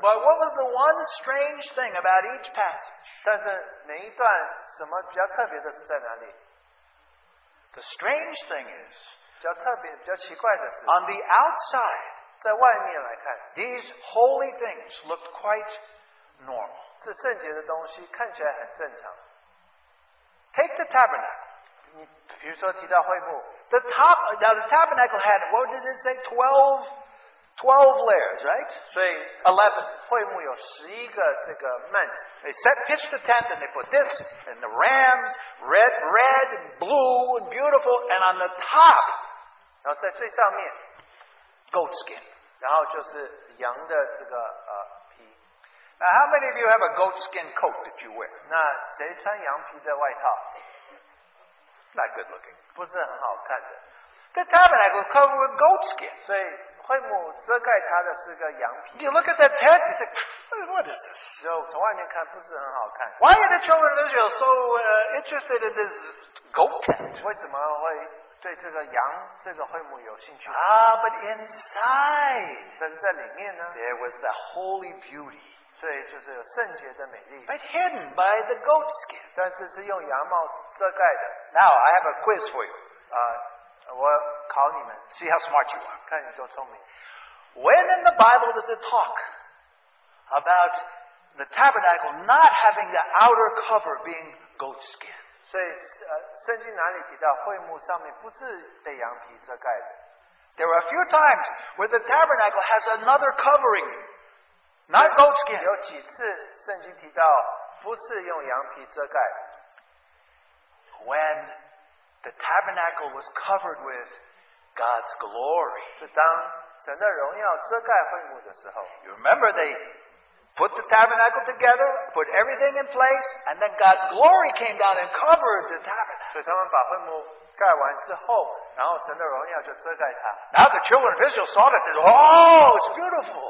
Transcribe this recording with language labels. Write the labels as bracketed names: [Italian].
[English] But what was the one strange thing about each passage? [Chinese] 但是哪一段什么比较特别的是在哪里? [English] The strange thing is, [Chinese] 比较特别,比较奇怪的是, [English] on the outside, [Chinese] 在外面来看, [English] these holy things looked quite normal. [Chinese] 这圣洁的东西看起来很正常。 [English] Take the tabernacle. [Chinese] 比如说提到会幕, [English] the top, now the tabernacle had, what did it say? 12 layers, right? [Chinese] 所以, 11. 会幕有11个这个幔, [English] they set pitched the tent and they put this and the rams, red and blue and beautiful, and on the top, [Chinese] 然后在最上面, [English] goat skin. [Chinese] 然后就是羊的这个, [English] Now how many of you have a goat skin coat that you wear? [Chinese] 那谁穿羊皮的外套? [English] Not good looking. [Chinese] 不是很好看的. [English] The tabernacle was covered with goat skin. [Chinese] 所以会幕遮盖它的是个羊皮. [English] You look at the tent, you say, what is this? [Chinese] 就从外面看不是很好看. [English] Why are the children of Israel so interested in this goat tent? [Chinese] 为什么会对这个羊这个会幕有兴趣? [English] Ah, but inside, [Chinese] 但是在里面呢, [English] there was the holy beauty. [Chinese] 所以就是有圣洁的美丽, [English] but hidden by the goat skin. [Chinese] 但是是用羊毛遮盖的. [English] Now, I have a quiz for you. [Chinese] 我考你们, [English] see how smart you are. [Chinese] 看你多聪明. [English] When in the Bible does it talk about the tabernacle not having the outer cover being goat skin? [Chinese] 所以, 圣经哪里提到会幕上面不是被羊皮遮盖的? [English] There are a few times where the tabernacle has another covering Not goatskin. [Chinese] 有几次圣经提到, 不是用羊皮遮盖, [English] when the tabernacle was covered with God's glory. [Chinese] 是当神的荣耀遮盖会幕的时候, [English] you remember they put the tabernacle together, put everything in place, and then God's glory came down and covered the tabernacle. Now the children of Israel saw that and said, oh, it's beautiful.